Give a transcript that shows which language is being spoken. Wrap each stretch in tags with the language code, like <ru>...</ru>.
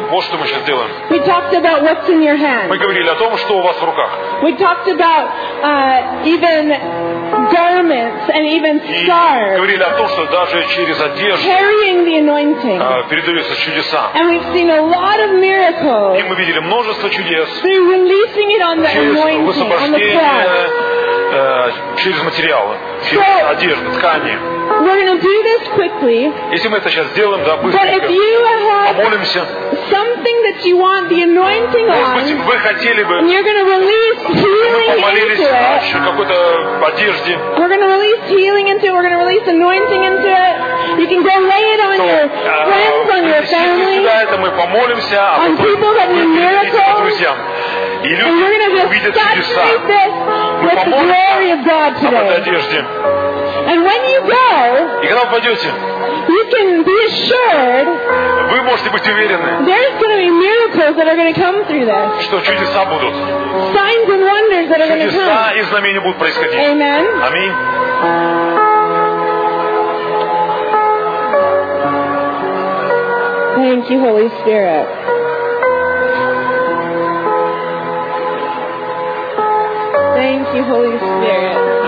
<ru>Вот что мы сейчас делаем.</ru> <en>We talked about what's in your hand.</en> <ru>Мы говорили о том, что у вас в руках.</ru> <en>We talked about even garments and even scars.</en> <ru>И говорили о том, что даже через одежду.</ru> <en>Carrying the anointing.</en> <ru>Передаются чудеса.</ru> <en>And we've seen a lot of miracles.</en> <ru>И мы видели множество чудес.</ru> <en>Through releasing it on the anointing, on the cloth.</en> <ru>Через материалы, через одежду, ткани.</ru> <en>We're going to do this quickly.</en> <ru>Если мы это сейчас сделаем, да, быстренько, помолимся.</ru> <en>Something that you want the anointing on.</en> <ru>Может быть, вы хотели бы.</ru> <en>And you're going to release healing into it.</en> <ru>Еще какой-то одежде.</ru> <en>We're going to release healing into it. We're going to release anointing into it. You can go lay it on your friends, on your family.</en> <ru>Да, это мы помолимся.</ru> <en>On people that need miracles.</en> <ru>И люди увидят чудеса. Мы помолимся об этой одежде.</ru> <en>And when you go,</en> <ru>и когда вы пойдете,</ru> <en>you can be assured,</en> <ru>вы можете быть уверены,</ru> <en>there's going to be miracles that are going to come through this.</en> <ru>Что чудеса будут.</ru> <en>Signs and wonders that are going to come.</en> <ru>Чудеса и знамения будут происходить.</ru> <en>Amen.</en> <ru>Аминь.</ru> <en>Thank you, Holy Spirit. Thank you, Holy Spirit.</en>